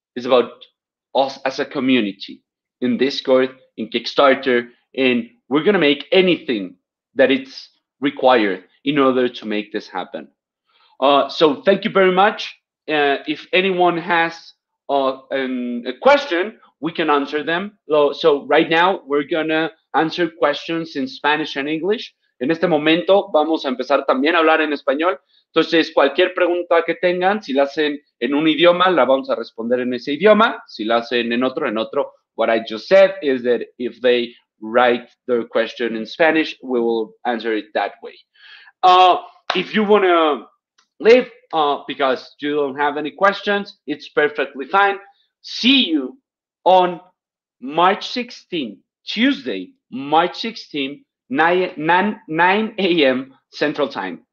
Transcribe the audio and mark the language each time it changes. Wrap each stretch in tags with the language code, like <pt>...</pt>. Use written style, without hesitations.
<en>It's about us as a community in Discord, in Kickstarter, and we're going to make anything that it's required in order to make this happen. So thank you very much. if anyone has a question, we can answer them. So right now we're gonna answer questions in Spanish and English.</en> <es>En este momento vamos a empezar también a hablar en español. Entonces, cualquier pregunta que tengan, si la hacen en un idioma, la vamos a responder en ese idioma. Si la hacen en otro.</es> <en>What I just said is that if they write their question in Spanish, we will answer it that way. If you want to leave because you don't have any questions, it's perfectly fine. See you on March 16th, Tuesday, March 16th, 9 a.m. Central Time.</en>